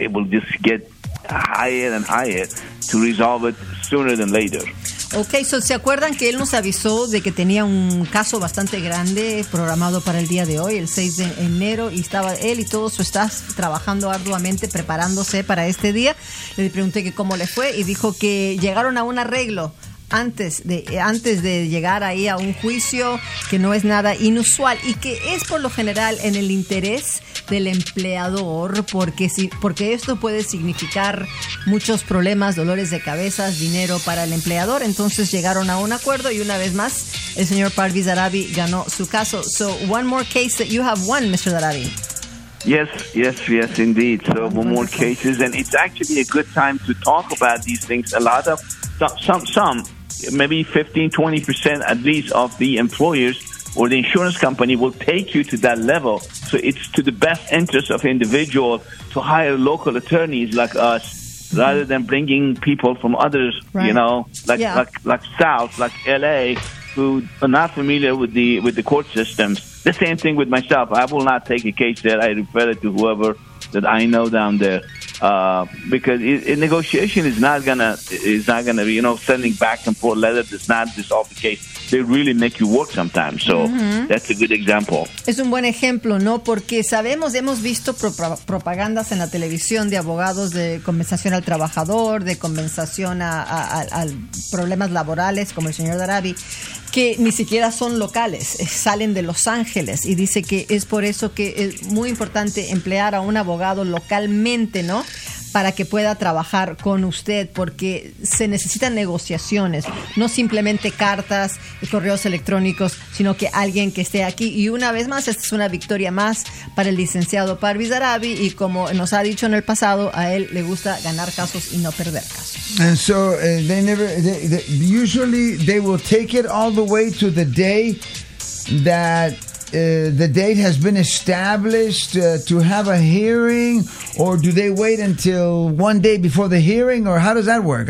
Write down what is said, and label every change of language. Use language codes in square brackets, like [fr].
[en] It will just get higher and higher to resolve it sooner than later. [es] Okay, so ¿se acuerdan que él nos avisó de que tenía un caso bastante grande programado para el día de hoy, el 6 de enero, y estaba él y todo su staff trabajando arduamente, preparándose para este día? Le pregunté que cómo le fue y dijo que llegaron a un arreglo antes de llegar ahí a un juicio, que no es nada inusual y que es por lo general en el interés del empleador, porque esto puede significar muchos problemas, dolores de cabezas, dinero para el empleador. Entonces llegaron a un acuerdo y una vez más el señor Parviz Darabi ganó su caso. [en] So one more case that you have won, Mr. Darabi. Yes, indeed. So one more cases, and it's actually a good time to talk about these things. A lot of some maybe 15-20% at least of the employers or the insurance company will take you to that level. So it's to the best interest of individual to hire local attorneys like us, mm-hmm. rather than bringing people from others, right. You know, like South, like LA, who are not familiar with the court systems. The same thing with myself. I will not take a case there. I refer it to whoever that I know down there, because negotiation is not gonna be, you know, sending back and forth letters is not dissolve the case. They really make you work sometimes. So mm-hmm. that's a good example. [es] Es un buen ejemplo, ¿no? Porque sabemos, hemos visto propagandas en la televisión de abogados de compensación al trabajador, de compensación a problemas laborales, como el señor Darabi, que ni siquiera son locales, salen de Los Ángeles. Y dice que es por eso que es muy importante emplear a un abogado localmente, ¿no? Para que pueda trabajar con usted, porque se necesitan negociaciones, no simplemente cartas y correos electrónicos, sino que alguien que esté aquí. Y una vez más, esta es una victoria más para el licenciado Parviz Darabi, y como nos ha dicho en el pasado, a él le gusta ganar casos y no perder casos. [en] And so usually they will take it all the way to the day that the date has been established to have a hearing, or do they wait until one day before the hearing, or how does that work?